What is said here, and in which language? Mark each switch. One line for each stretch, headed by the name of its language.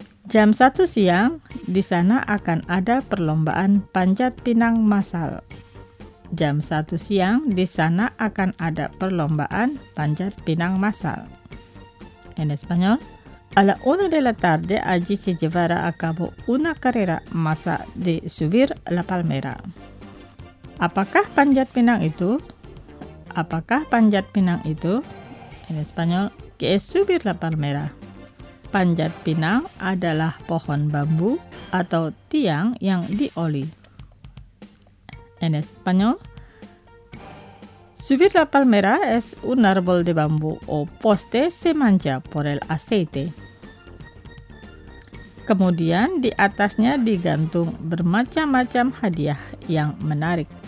Indonesian: Jam 1 siang, di sana akan ada perlombaan panjat pinang massal. Jam 1 siang, di sana akan ada perlombaan panjat pinang massal.
Spanish: En español. A la una de la tarde, allí se llevará a cabo una carrera masa de subir la palmera.
Indonesian: Apakah panjat pinang itu? Apakah panjat pinang itu?
Spanish: En español, ¿qué es subir la palmera?
Indonesian: Panjat pinang adalah pohon bambu atau tiang yang dioli.
Spanish: en español. Subir la palmera es un árbol de bambú o poste se mancha por el aceite.
Indonesian: Kemudian di atasnya digantung bermacam-macam hadiah yang menarik.